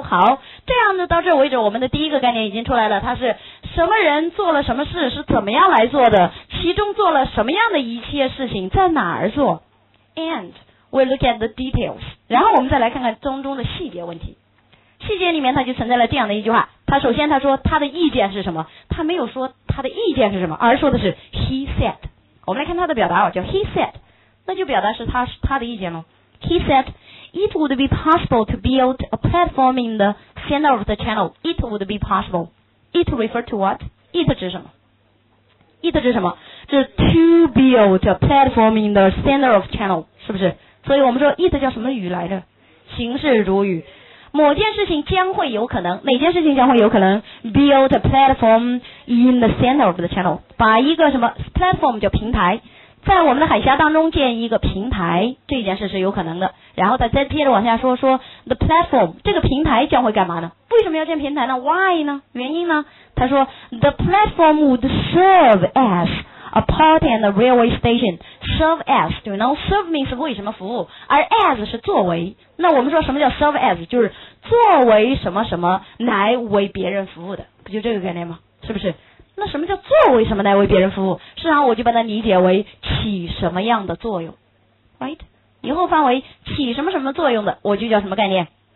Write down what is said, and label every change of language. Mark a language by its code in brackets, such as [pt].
[zh] 好，这样子到这为止我们的第一个概念已经出来了，它是什么人做了什么事，是怎么样来做的，其中做了什么样的一切事情，在哪儿做。 [en] And we look at the details， [zh] 然后我们再来看看当中的细节问题。细节里面它就存在了这样的一句话，它首先它说它的意见是什么，它没有说它的意见是什么，而说的是 [en] he said。 [zh] 我们来看它的表达，叫 [en] he said， [zh] 那就表达是它的意见了。 [en] He said it would be possible to build a platform in the center of the channel。 It would be possible， it refer to what？ [zh] It 指什么？It 是什么？是 [en] to build a platform in the center of channel， [zh] 是不是？所以我们说 it 叫什么语来着？形式主语。某件事情将会有可能，哪件事情将会有可能？ [en] build a platform in the center of the channel， [zh] 把一个什么 platform 叫平台，在我们的海峡当中建一个平台，这件事是有可能的。然后再接着往下说，说 [en] the platform [zh] 这个平台将会干嘛呢？为什么要建平台呢？why 呢？原因呢？他说 [en] the platform would serve as a port and a railway station。 serve as， do you know serve means [zh] 为什么服务，而 [en] as [zh] 是作为。那我们说什么叫 [en] serve as， [zh] 就是作为什么什么来为别人服务的，不就这个概念吗？是不是？那什么叫作为什么来为别人服务？实际上我就把它理解为起什么样的作用， [en] right？ [zh] 以后范围起什么什么作用的，我就叫什么概念？